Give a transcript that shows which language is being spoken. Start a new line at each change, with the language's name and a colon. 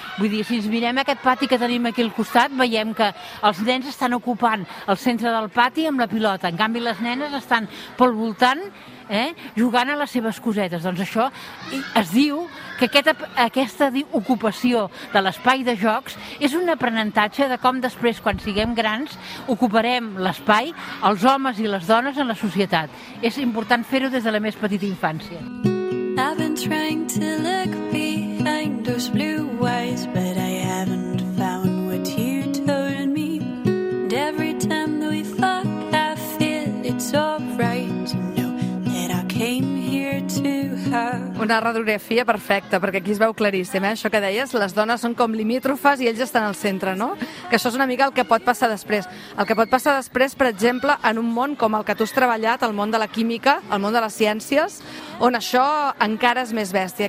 Catalan: Vull dir, si ens mirem aquest pati que tenim aquí al costat, veiem que els nens estan ocupant el centre del pati amb la pilota, en canvi les nenes estan pel voltant, jugant a les seves cosetes. Doncs això es diu que aquesta ocupació de l'espai de jocs és un aprenentatge de com després, quan siguem grans, ocuparem l'espai, els homes i les dones, en la societat. És important fer-ho des de la més petita infància.
English: I've been trying to look behind those blue eyes, but I haven't found what you told me. And every time that we fuck, I feel it's alright to know that I came here to have.
Catalan: Una radiografia perfecta, perquè aquí es veu claríssim, això que deies, les dones són com limítrofes i ells estan al centre, no? Que això és una mica el que pot passar després. El que pot passar després, per exemple, en un món com el que tu has treballat, el món de la química, el món de les ciències, on això encara és més bèstia.